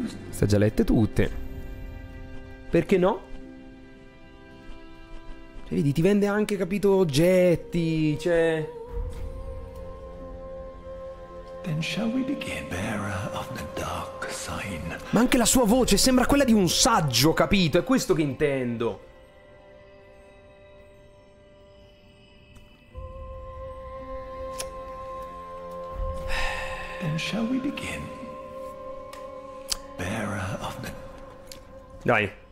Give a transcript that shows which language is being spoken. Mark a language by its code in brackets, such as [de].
[it] Si è già lette tutte. Perché no? Cioè, vedi, ti vende anche, capito, oggetti, cioè... [en] Then shall we begin, bearer of the dark sign. [it] Ma anche la sua voce sembra quella di un saggio, capito? È questo che intendo. [en] Then shall we begin, bearer of the... Dai.